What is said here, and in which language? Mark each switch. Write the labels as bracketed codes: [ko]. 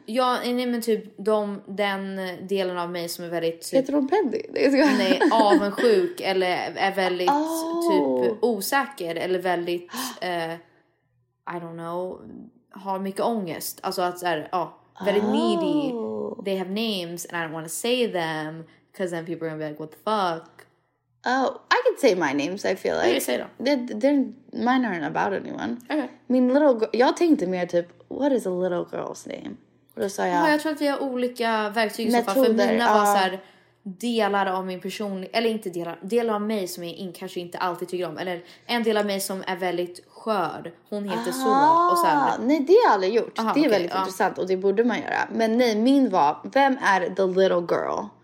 [sv] Ja, nej men typ den delen av mig som är väldigt... Typ, heter hon Penny? Nej, avundsjuk eller är väldigt typ osäker eller väldigt, [en] I don't know, [sv] har mycket ångest. Alltså att såhär, [en] very needy. They have names and I don't want to say them because then people are going to be like, what the fuck? Oh, I could say my names, I feel like. Yeah, say them. They're, mine aren't about anyone. Okay. I mean, little girl, y'all think to me, typ, what is a little girl's name? [sv] Och då sa jag... Ja, jag tror att vi har olika verktyg. Metoder. För mina var såhär, delar av min person, eller inte delar av mig som jag kanske inte alltid tycker om. Eller en del av mig som är väldigt skör. Hon heter så. Och sen... Nej, det har jag aldrig gjort. Aha, det är okay, väldigt intressant och det borde man göra. Men nej, min var, vem är [en] the little girl?